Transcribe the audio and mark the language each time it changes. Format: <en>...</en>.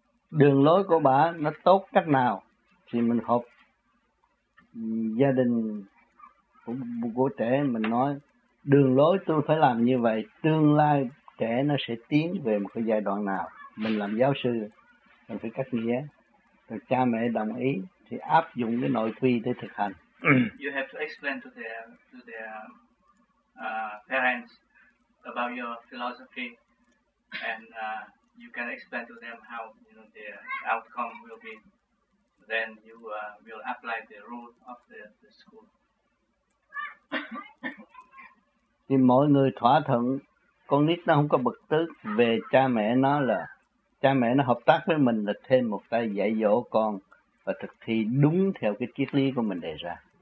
<vi>Đường lối của bà nó tốt cách nào thì mình học gia đình của trẻ, mình nói đường lối tôi phải làm như vậy, tương lai trẻ nó sẽ tiến về một cái giai đoạn nào, mình làm giáo sư mình phải cách nghĩa, rồi cha mẹ đồng ý thì áp dụng cái nội quy để thực hành.</vi> <en>You have to explain to their parents about your philosophy, and you can explain to them how, you know, the outcome will be. Then you will apply the rule of the school.</en> <vi>Thì mọi người thỏa thuận, con nít nó không có bực tức về cha mẹ nó, là cha mẹ nó hợp tác với mình là thêm một tay dạy dỗ con, và thực thi đúng theo cái triết lý của mình đề ra.</vi>